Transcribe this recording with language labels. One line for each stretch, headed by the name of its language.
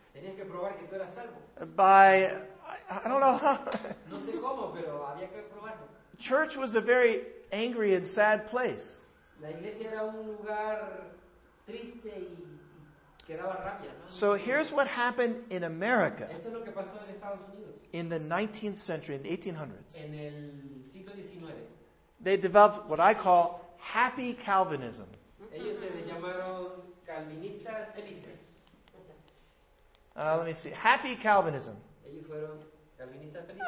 Spanish: Tenías que probar que tú eras salvo.
English: By, I don't know.
Spanish: No sé cómo, pero había que probarlo.
English: Church was a very angry and sad place.
Spanish: La iglesia era un lugar triste y que daba rabia, ¿no?
English: So here's what happened in America.
Spanish: Esto es lo que pasó en Estados Unidos.
English: In the 19th century, in the 1800s,
Spanish: en el siglo XIX,
English: they developed what I call happy Calvinism.
Spanish: Ellos se le llamaron calvinistas felices.
English: Let me see. Happy Calvinism.
Spanish: Ellos fueron calvinistas